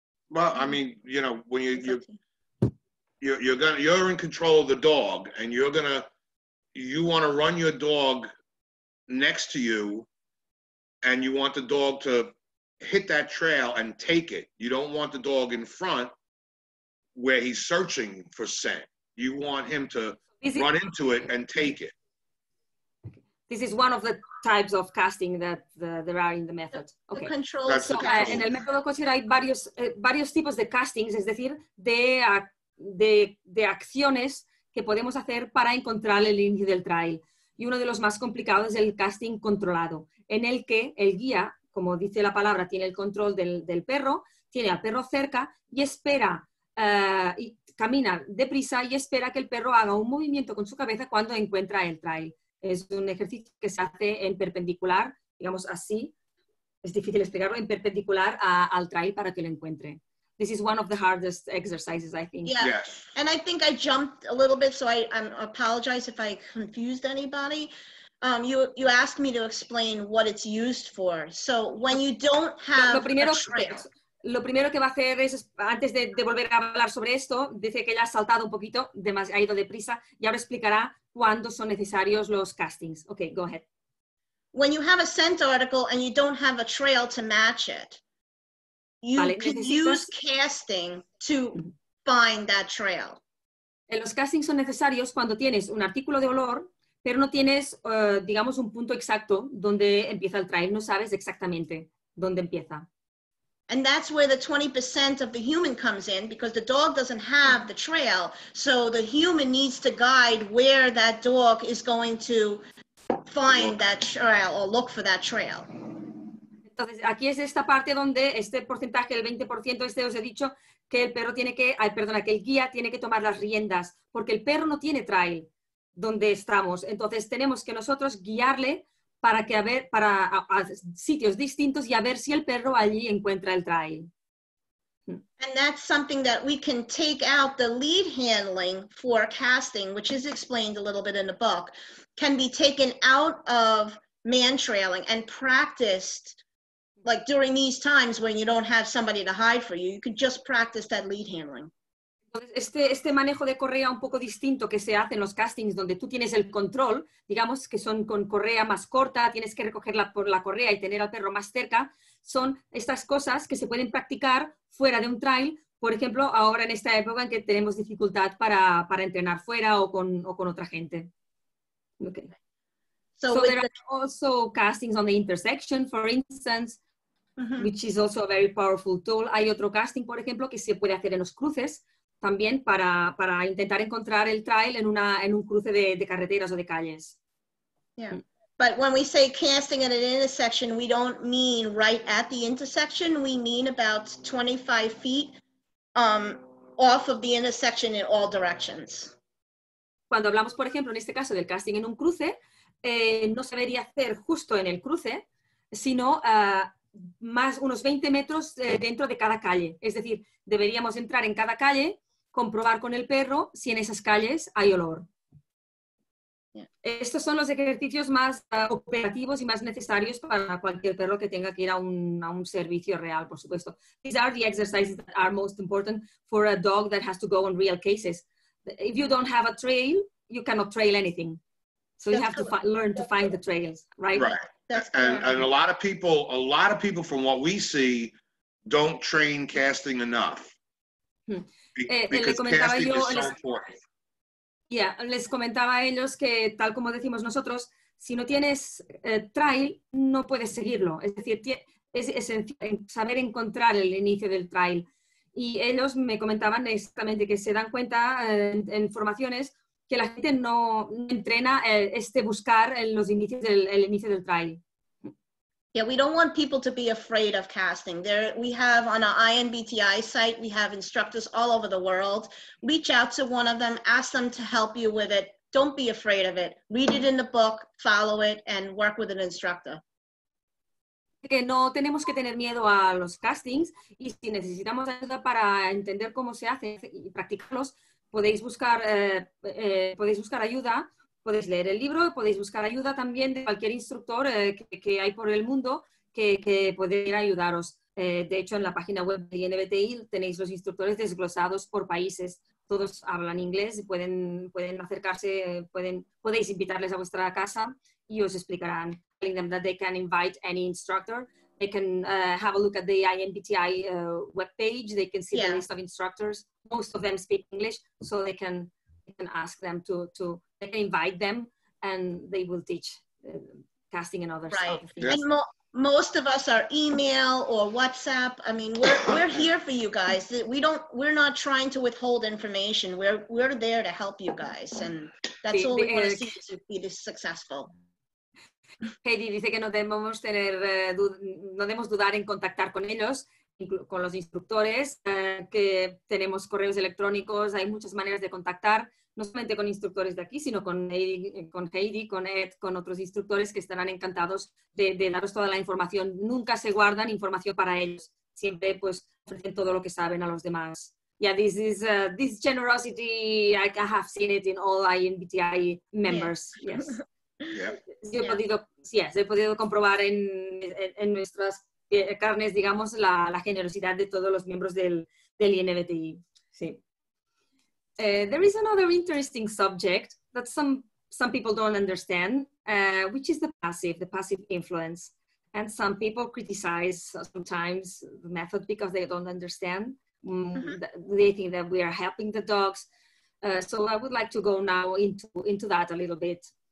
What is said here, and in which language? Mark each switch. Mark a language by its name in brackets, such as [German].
[English] Well, I mean, you know, when you're in control of the dog, and you want to run your dog next to you, and you want the dog to hit that trail and take it. You don't want the dog in front where he's searching for scent. You want him to run into it and take it. This is one of the types of casting that there are in the method. Okay. The control. [Spanish] En el método coaching hay varios tipos de castings, es decir, de acciones que podemos hacer para encontrar el inicio del trail. Y uno de los más complicados es el casting controlado, en el que el guía, como dice la palabra, tiene el control del perro, tiene al perro cerca y espera, y camina deprisa y espera que el perro haga un movimiento con su cabeza cuando encuentra el trail. Es un ejercicio que se hace en perpendicular, digamos así, es difícil explicarlo, en perpendicular al trail para que lo encuentre. [English] This is one of the hardest exercises, I think. Yeah, yes. And I think I jumped a little bit, so I apologize if I confused anybody. You asked me to explain what it's used for. So when you don't have [Spanish] Lo primero que va a hacer es, antes de volver a hablar sobre esto, dice que ya ha saltado un poquito, ha ido deprisa, y ahora explicará cuándo son necesarios los castings. [English] Okay, go ahead. When you have a scent article and you don't have a trail to match it, you use casting to find that trail. [Spanish] Los castings son necesarios cuando tienes un artículo de olor, pero no tienes, digamos, un punto exacto donde empieza el trail, no sabes exactamente dónde empieza. [English] And that's where the 20% of the human comes in, because the dog doesn't have the trail. So the human needs to guide where that dog is going to find that trail or look for that trail. [Spanish] Entonces, aquí es esta parte donde este porcentaje, el 20%, os he dicho que el perro tiene que, que el guía tiene que tomar las riendas, porque el perro no tiene trail donde estamos. Entonces, tenemos que nosotros guiarle para sitios distintos y a ver si el perro allí encuentra el trail. [English] And that's something that we can take out the lead handling for casting, which is explained a little bit in the book, can be taken out of man trailing and practiced like during these times when you don't have somebody to hide for you, you could just practice that lead handling. [Spanish] Este manejo de correa un poco distinto que se hace en los castings donde tú tienes el control, digamos que son con correa más corta, tienes que recogerla por la correa y tener al perro más cerca, son estas cosas que se pueden practicar fuera de un trail, por ejemplo, ahora en esta época en que tenemos dificultad para entrenar fuera o con otra gente. [English] Okay. So there are also castings on the intersection, for instance, mm-hmm. which is also a very powerful tool. [Spanish] Hay otro casting, por ejemplo, que se puede hacer en los cruces, también para intentar encontrar el trail en un cruce de carreteras o de calles. [English] Yeah. But when we say casting at an intersection, we don't mean right at the intersection. We mean about 25 feet off of the intersection in all directions. [Spanish] Cuando hablamos, por ejemplo, en este caso del casting en un cruce, no se debería hacer justo en el cruce, sino más unos 20 metros dentro de cada calle. Es decir, deberíamos entrar en cada calle, comprobar con el perro si en esas calles hay olor. [English] Yeah. [Spanish] Estos son los ejercicios más operativos y más necesarios para cualquier perro que tenga que ir a un servicio real, por supuesto. [English] These are the exercises that are most important for a dog that has to go on real cases. If you don't have a trail, you cannot trail anything. So you have to learn to find the trails, right? Right. And a lot of people from what we see don't train casting enough. [Spanish] Les comentaba a ellos que tal como decimos nosotros, si no tienes trail, no puedes seguirlo. Es decir, es esencial saber encontrar el inicio del trail. Y ellos me comentaban exactamente que se dan cuenta en formaciones que la gente no entrena buscar los inicios del inicio del trail. [English] Yeah, we don't want people to be afraid of casting. There, we have on our INBTI site, we have instructors all over the world. Reach out to one of them, ask them to help you with it. Don't be afraid of it. Read it in the book, follow it, and work with an instructor. [Spanish] Que no tenemos que tener miedo a los castings, y si necesitamos ayuda para entender cómo se hace y practicarlos, podéis buscar ayuda. Podéis leer el libro, podéis buscar ayuda también de cualquier instructor que hay por el mundo que puede ir a ayudaros. De hecho, en la página web de INBTI tenéis los instructores desglosados por países. Todos hablan inglés, pueden acercarse, podéis invitarles a vuestra casa y os explicarán. [English] Telling them that they can invite any instructor. They can have a look at the INBTI webpage. They can see the list of instructors. Most of them speak English, so they can ask them to they can invite them, and they will teach casting and other right. stuff. Yes. And most of us are email or WhatsApp. I mean, we're here for you guys. We're not trying to withhold information. We're there to help you guys, and that's all we want to see, to be successful. [Spanish] Heidi dice que no debemos dudar en contactar con ellos, con los instructores, que tenemos correos electrónicos, hay muchas maneras de contactar, no solamente con instructores de aquí, sino con Heidi, con Ed, con otros instructores que estarán encantados de daros toda la información. Nunca se guardan información para ellos, siempre pues ofrecen todo lo que saben a los demás. [English] Yeah, this is this generosity, I have seen it in all INBTI members, yes. Yeah. [Spanish] He podido comprobar en nuestras carnes, digamos, la generosidad de todos los miembros del INBTI. Sí. [English] There is another interesting subject that some people don't understand, which is the passive influence. And some people criticize sometimes the method because they don't understand. Mm-hmm. They think that we are helping the dogs. So I would like to go now into that a little bit.